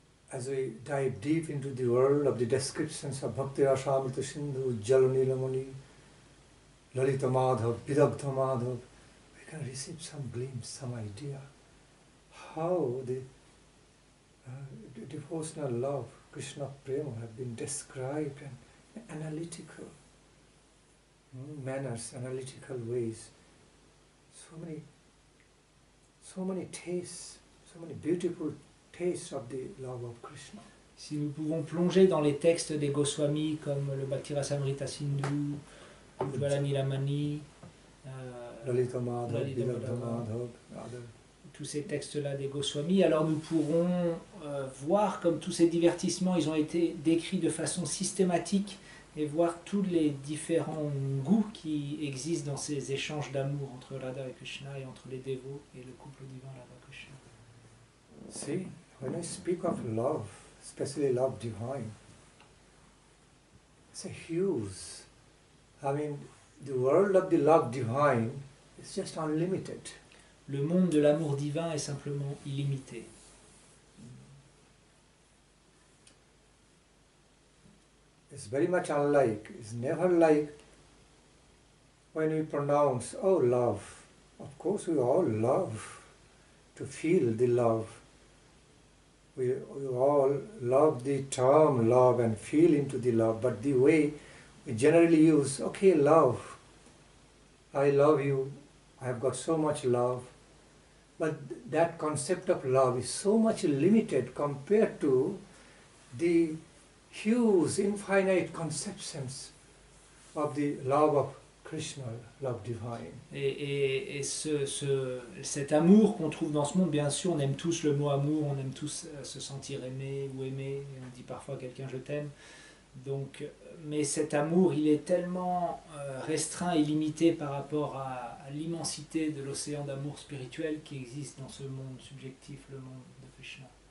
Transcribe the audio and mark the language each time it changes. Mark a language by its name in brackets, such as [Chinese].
[English] As we dive deep into the world of the descriptions of Bhakti Rasamrita Sindhu, Jalanilamani, Lalita Madhav, Vidagdha Madhav, we can receive some glimpse, some idea how the devotional love, Krishna Prema, have been described in analytical manners, analytical ways. So many tastes, so many beautiful tastes of the love of Krishna. [French] Si nous pouvons plonger dans les textes des Goswami comme le Bhakti Rasamrita Sindhu, Jalanilamani, Lalita Madhav, Vidagdha Madhav, tous ces textes-là des Goswami, alors nous pourrons voir comme tous ces divertissements, ils ont été décrits de façon systématique et voir tous les différents goûts qui existent dans ces échanges d'amour entre Radha et Krishna et entre les dévots et le couple divin Radha Krishna. [English] See, when I speak of love, especially love divine, it's a huge. I mean, the world of the love divine is just unlimited. [French] Le monde de l'amour divin est simplement illimité. [English] It's very much unlike, it's never like when we pronounce, oh love. Of course we all love to feel the love. We all love the term love and feel into the love. But the way we generally use, okay love, I love you, I have got so much love. But that concept of love is so much limited compared to the huge, infinite conceptions of the love of Krishna, love divine. [French] Et cet amour qu'on trouve dans ce monde, bien sûr, on aime tous le mot amour, on aime tous se sentir aimé ou aimé, on dit parfois à quelqu'un je t'aime. Donc, mais cet amour, il est tellement restreint et limité par rapport à l'immensité de l'océan d'amour spirituel qui existe dans ce monde subjectif, le monde de Krishna.